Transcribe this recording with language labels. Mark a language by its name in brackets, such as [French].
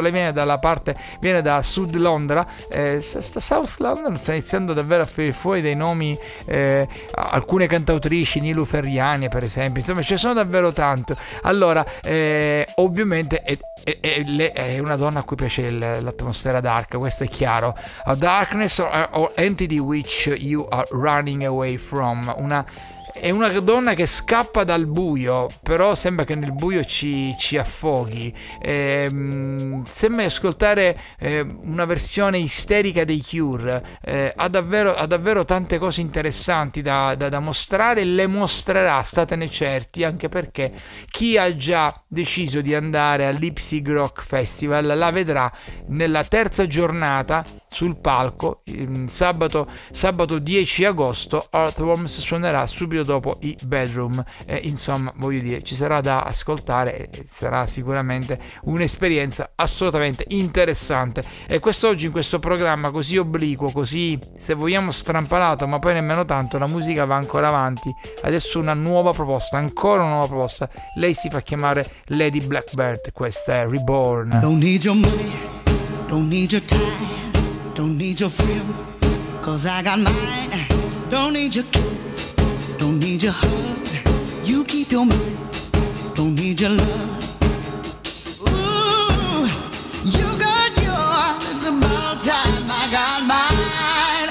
[Italian] Lei viene da Sud Londra, South London, sta iniziando davvero a finire fuori dei nomi, alcune cantautrici, Nilu Ferriani per esempio, insomma ce ne sono davvero tanto. Allora, ovviamente è una donna a cui piace l'atmosfera dark, questa è chiaro. [English] A darkness or entity which you are running away from. [Italian] È una donna che scappa dal buio, però sembra che nel buio ci affoghi. Sembra ascoltare una versione isterica dei Cure. Ha davvero tante cose interessanti da mostrare, e le mostrerà, statene certi, anche perché chi ha già deciso di andare all'Ipsig Rock Festival la vedrà nella terza giornata sul palco, sabato 10 agosto. Earthworms suonerà subito dopo i Bedroom, insomma, voglio dire, ci sarà da ascoltare, sarà sicuramente un'esperienza assolutamente interessante. E quest'oggi, in questo programma così obliquo, così, se vogliamo, strampalato, ma poi nemmeno tanto, la musica va ancora avanti. Adesso ancora una nuova proposta, lei si fa chiamare Lady Blackbird, questa è Reborn. [English] Don't need your money, don't need your time, don't need your freedom, cause I got mine. Don't need your kiss, don't need your heart, you keep your mouth, don't need your love. Ooh, you got yours, about time I got mine.